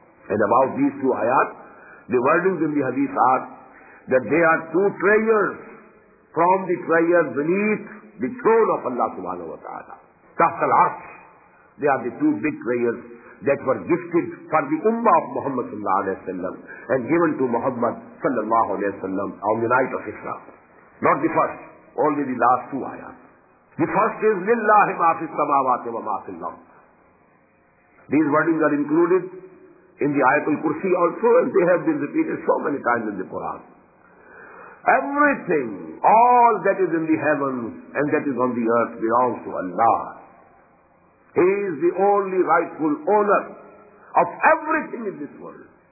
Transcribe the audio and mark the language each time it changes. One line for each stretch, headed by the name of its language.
English: And about these two ayat, the wordings in the hadith are that they are two prayers from the prayer beneath the throne of Allah subhanahu wa ta'ala. Taht al-Arsh, they are the two big prayers that were gifted for the ummah of Muhammad sallallahu alayhi wa sallam and given to Muhammad sallallahu alayhi wa sallam on the night of Isra. Not the first. Only the last two ayahs. The first is
Arabic: لِلَّهِ مَا فِي السَّمَاوَاتِ وَمَا فِي الْأَرْضِ.
English: These wordings are included in the Ayatul Kursi also, and they have been repeated so many times in the Quran. Everything, all that is in the heavens and that is on the earth belongs to Allah. He is the only rightful owner of everything in this world.